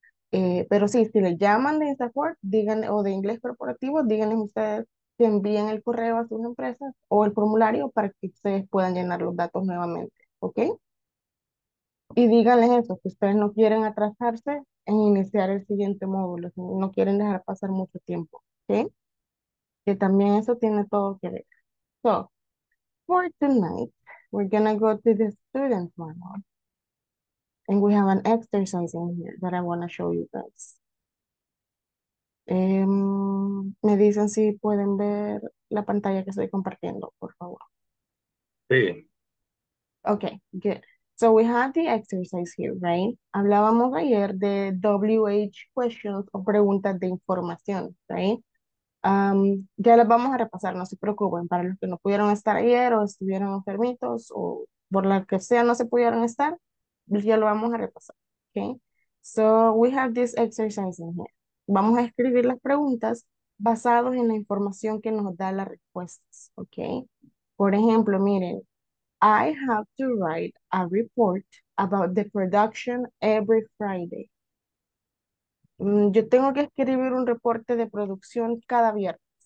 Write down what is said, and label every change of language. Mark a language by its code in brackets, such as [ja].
[es] Pero sí, si le llaman de Instaform, díganle, o de Inglés Corporativo, díganles ustedes que envíen el correo a sus empresas o el formulario para que ustedes puedan llenar los datos nuevamente, ¿ok? Y díganles eso, que ustedes no quieren atrasarse en iniciar el siguiente módulo, no quieren dejar pasar mucho tiempo, ¿ok? Que también eso tiene todo que ver. [en] So, for tonight, we're gonna go to the student manual. And we have an exercise in here that I want to show you guys. [es] Me dicen si pueden ver la pantalla que estoy compartiendo, por favor. Sí. [en] Okay, good. So we have the exercise here, right? [es] Hablábamos ayer de WH questions o preguntas de información, right? Ya las vamos a repasar, no se preocupen. Para los que no pudieron estar ayer o estuvieron enfermitos o por la que sea no se pudieron estar, ya lo vamos a repasar, okay? [en] So we have this exercise in here. [es] Vamos a escribir las preguntas basados en la información que nos da las respuestas, okay? Por ejemplo, miren, [en] I have to write a report about the production every Friday. [es] Yo tengo que escribir un reporte de producción cada viernes.